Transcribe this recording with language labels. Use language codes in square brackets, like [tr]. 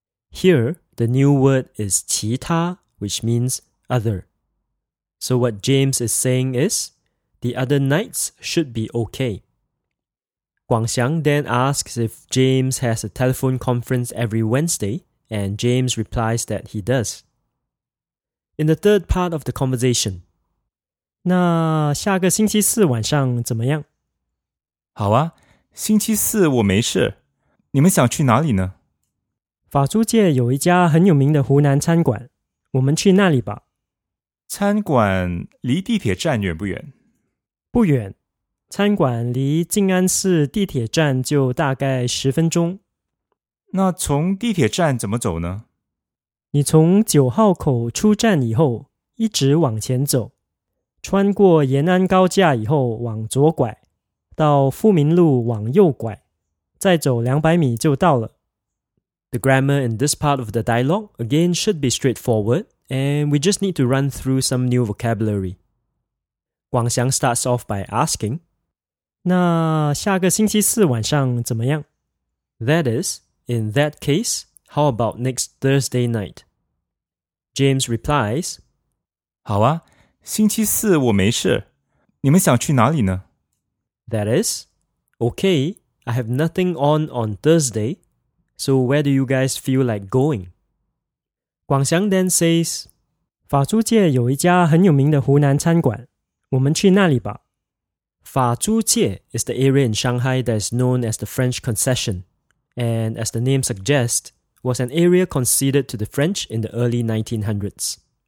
[en] Here, the new word is 其他, which means other. So what James is saying is, the other nights should be okay. Guangxiang then asks if James has a telephone conference every Wednesday, and James replies that he does. In the third part of the conversation, [zh] 那下个星期四晚上怎么样? 好啊, 星期四我没事, 你们想去哪里呢? 法租界有一家很有名的湖南餐馆, 我们去那里吧。餐馆离地铁站远不远? 不远, 餐馆离静安寺地铁站就大概10分钟。那从地铁站怎么走呢? 你从9号口出站以后, 一直往前走, 穿过延安高架以后往左拐, 到富民路往右拐, 再走200米就到了。 [en] The grammar in this part of the dialogue, again, should be straightforward, and we just need to run through some new vocabulary. Guangxiang starts off by asking, [zh] 那下个星期四晚上怎么样? [en] That is, in that case, how about next Thursday night? James replies, [zh] 好啊,星期四我没事,你们想去哪里呢? [en] That is, okay, I have nothing on Thursday, so where do you guys feel like going? Guangxiang then says, [zh] 法租界有一家很有名的湖南餐馆,我们去那里吧。 [en] 法租界 is the area in Shanghai that is known as the French Concession, and as the name suggests, was an area conceded to the French in the early 1900s.